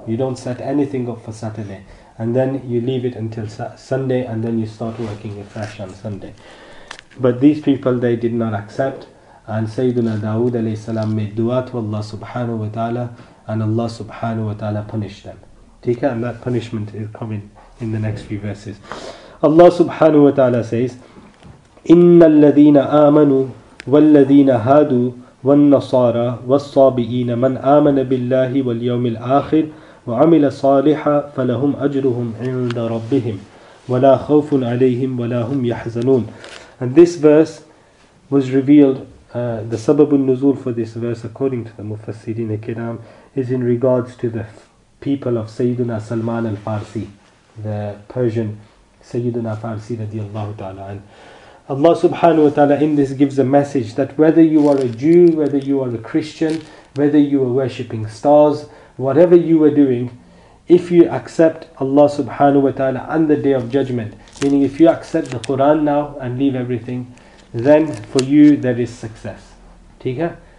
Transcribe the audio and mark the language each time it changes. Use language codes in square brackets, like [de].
[en] You don't set anything up for Saturday. And then you leave it until Sunday, and then you start working afresh on Sunday. But these people, they did not accept. And Sayyidina Dawood alayhi salam made dua to Allah subhanahu wa ta'ala, and Allah subhanahu wa ta'ala punished them. And that punishment is coming in the next few verses. Allah subhanahu wa ta'ala says, [ar] إِنَّ الَّذِينَ آمَنُوا وَالَّذِينَ هَادُوا وَالنَّصَارَى وَالصَّابِئِينَ مَنْ آمَنَ بِاللَّهِ وَالْيَوْمِ الْآخِرِ وَعَمِلَ صَالِحًا فَلَهُمْ أَجْرُهُمْ عِنْدَ رَبِّهِمْ وَلَا خَوْفٌ عَلَيْهِمْ وَلَا هُمْ يَحْزَنُونَ. [en] And this verse was revealed, the sabab al-nuzul for this verse, according to the Mufassirin al-Kiram, is in regards to the people of Sayyiduna Salman al-Farsi, the Persian Sayyiduna Farsi radiallahu ta'ala. And Allah subhanahu wa ta'ala in this gives a message that whether you are a Jew, whether you are a Christian, whether you are worshipping stars, whatever you are doing, if you accept Allah subhanahu wa ta'ala and the Day of Judgment, meaning if you accept the Quran now and leave everything, then for you there is success. [ur] Theek hai?